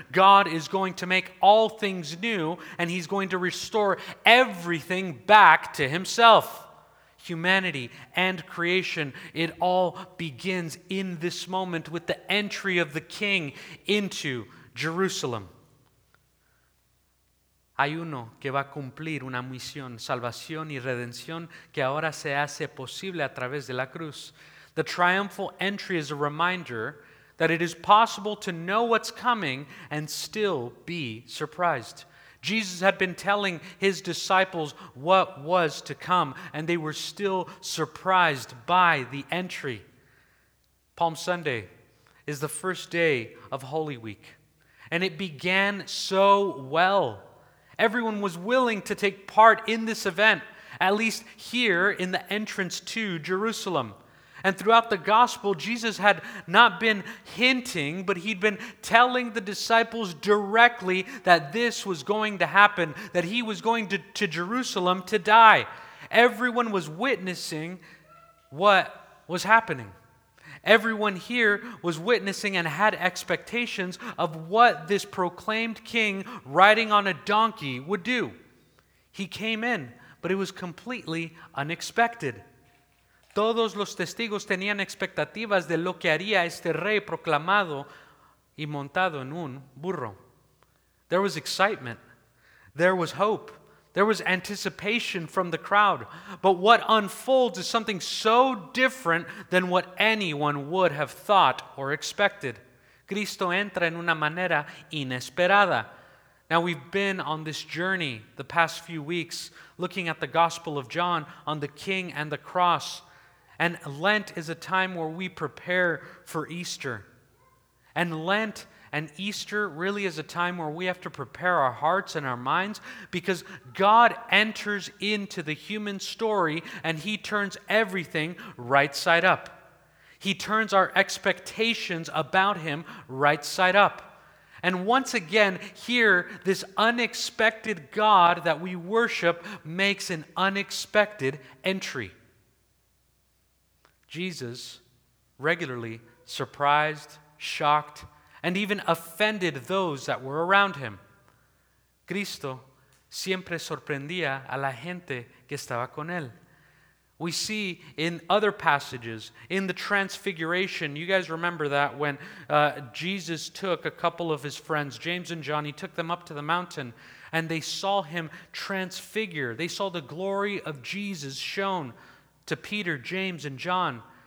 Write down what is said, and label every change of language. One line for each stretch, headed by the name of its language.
English: God is going to make all things new, and he's going to restore everything back to himself. Humanity and creation, it all begins in this moment with the entry of the King into Jerusalem.
Spanish: Hay uno que va a cumplir una misión, salvación y redención que ahora se hace posible a través de la cruz.
English: The triumphal entry is a reminder that it is possible to know what's coming and still be surprised. Jesus had been telling his disciples what was to come, and they were still surprised by the entry. Palm Sunday is the first day of Holy Week. And it began so well. Everyone was willing to take part in this event, at least here in the entrance to Jerusalem. And throughout the gospel, Jesus had not been hinting, but he'd been telling the disciples directly that this was going to happen, that he was going to Jerusalem to die. Everyone was witnessing what was happening. Everyone here was witnessing and had expectations of what this proclaimed king riding on a donkey would do. He came in, but it was completely unexpected.
Spanish: Todos los testigos tenían expectativas de lo que haría este rey proclamado y montado en un burro.
English: There was excitement. There was hope. There was anticipation from the crowd, but what unfolds is something so different than what anyone would have thought or expected.
Spanish: Cristo entra en una manera inesperada.
English: Now, we've been on this journey the past few weeks, looking at the Gospel of John on the King and the cross, and Lent is a time where we prepare for Easter. And Lent and Easter really is a time where we have to prepare our hearts and our minds, because God enters into the human story and he turns everything right side up. He turns our expectations about him right side up. And once again, here, this unexpected God that we worship makes an unexpected entry. Jesus regularly surprised, shocked, and even offended those that were around him.
Spanish: Cristo siempre sorprendía a la gente que estaba con él.
English: We see in other passages, in the Transfiguration, you guys remember that when Jesus took a couple of his friends, James and John, he took them up to the mountain, and they saw him transfigure. They saw the glory of Jesus shown to Peter, James, and John.